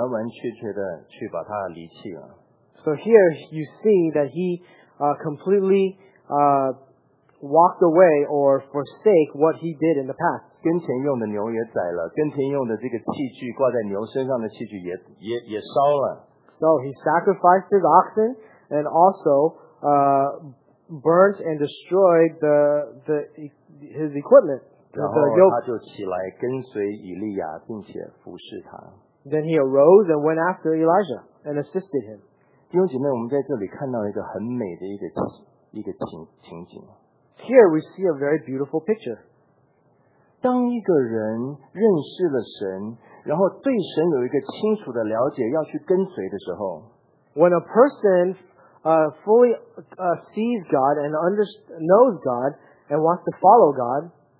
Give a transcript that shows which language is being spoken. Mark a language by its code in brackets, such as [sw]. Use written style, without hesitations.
[zh] 这就看见他把他以前过的生活完完全全的去把它离弃了。 [en] So here you see that he completely walked away or forsake what he did in the past. [zh] 耕田用的牛也宰了, 耕田用的这个器具, 挂在牛身上的器具也烧了。 [en] So he sacrificed his oxen and also burnt and destroyed his equipment. [zh] 然后他就起来跟随以利亚, 并且服侍他。 [en] Then he arose and went after Elijah and assisted him. [zh] 弟兄姐妹, 我们在这里看到一个很美的一个情景。 [en] Here we see a very beautiful picture. [zh] 当一个人认识了神, 然后对神有一个清楚的了解, 要去跟随的时候, [en] when a person fully sees God and knows God and wants to follow God,